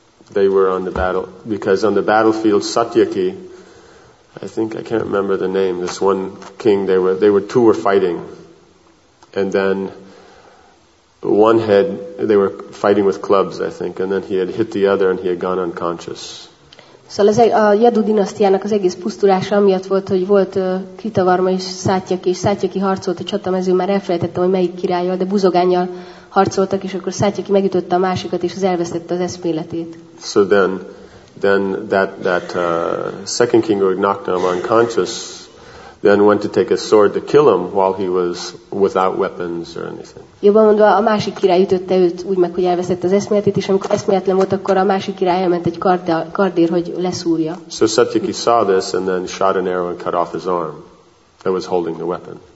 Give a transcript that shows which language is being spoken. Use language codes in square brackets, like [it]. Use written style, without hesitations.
[en] They were on the battle, because on the battlefield, Satyaki, I think, I can't remember the name, this one king, two were fighting. And then one had, they were fighting with clubs, I think, and then he had hit the other and he had gone unconscious. [hu] Szóval ez a Yadu dinasztiának az egész pusztulása amiatt volt, hogy volt Kritavarma és Szátyaki, és Szátyaki harcolt a csatamezőn, már elfelejtettem, hogy melyik királlyal, de buzogánnyal harcoltak, és akkor Szátyaki megütötte a másikat, és az elvesztette az eszméletét. [en] So then that second king who knocked him unconscious then went to take a sword to kill him while he was without weapons or anything. [hu] Jobban mondva, a másik király ütötte őt úgy meg, hogy elveszett az eszméletét, és amikor eszméletlen volt, akkor a másik király elment egy kardér, hogy leszúrja. [en] So Satyaki saw this and then shot an arrow and cut off his arm that was holding the weapon.